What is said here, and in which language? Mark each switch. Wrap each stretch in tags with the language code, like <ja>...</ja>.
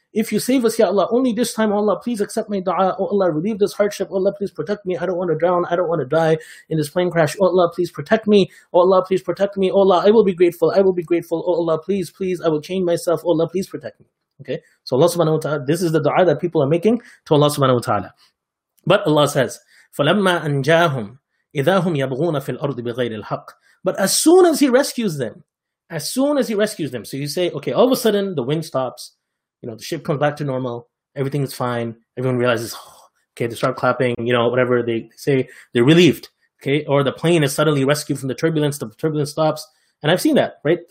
<en>If you save us, ya Allah, only this time, Allah, please accept my dua. Oh Allah, relieve this hardship. Oh Allah, please protect me. I don't want to drown. I don't want to die in this plane crash. Oh Allah, please protect me. Oh Allah, please protect me. Oh Allah, I will be grateful. I will be grateful. Oh Allah, please, please, I will change myself. Oh Allah, please protect me. Okay, so Allah subhanahu wa ta'ala, this is the dua that people are making to Allah subhanahu wa ta'ala.</en> <ar>But Allah says, فَلَمَّا أَنْجَاهُمْ إِذَا هُمْ يَبْغُونَ فِي الْأَرْضِ بِغَيْرِ الْحَقِّ.</ar> <en>But as soon as He rescues them, as soon as He rescues them, so you say, okay, all of a sudden the wind stops, you know, the ship comes back to normal, everything is fine, everyone realizes, oh, okay, they start clapping, you know, whatever they say, they're relieved, okay, or the plane is suddenly rescued from the turbulence stops, and I've seen that, right?</en>